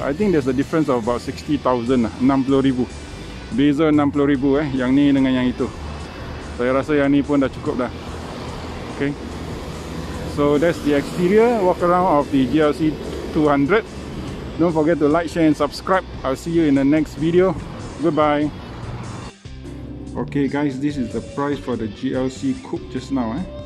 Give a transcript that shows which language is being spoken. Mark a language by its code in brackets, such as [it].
[en] I think there's a difference of about 60,000 lah, 60,000. [ms] Beza 60,000 eh, yang ni dengan yang itu. Saya rasa yang ni pun dah cukup dah. Okay. [en] So that's the exterior walk around of the GLC 200. Don't forget to like, share and subscribe. I'll see you in the next video. Goodbye. Okay guys, this is the price for the GLC coupe just now eh.